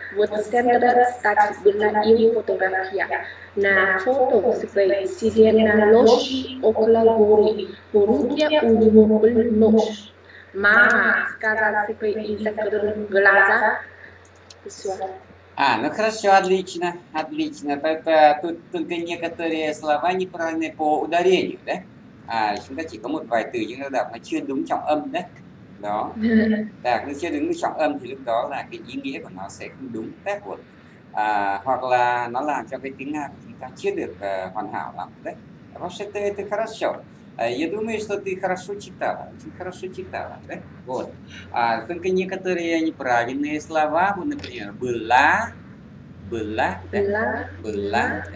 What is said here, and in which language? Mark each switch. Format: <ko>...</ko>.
<ru>Вот в центре статьи была его фотография. На фото сидел на лошади около горы. В руке у него был нож. Мама, сказал себе и закрыл глаза. Ну хорошо, отлично. Тогда тут только некоторые слова неправильные по ударению, да?</ru> <vi>Chúng ta chỉ có một vài từ chúng ta đọc mà chưa đúng trọng âm đấy. Đó. Đọc nó chưa đúng trọng âm thì lúc đó là cái ý nghĩa của nó sẽ không đúng tác của. Hoặc là nó làm cho cái tiếng Nga của chúng ta chưa được hoàn hảo lắm đấy.</vi> <ru>Вообще-то это хорошо. Я думаю, что ты хорошо читала. Очень хорошо читала, да? Вот. Только некоторые неправильные слова, вот, например, была, да.</ru>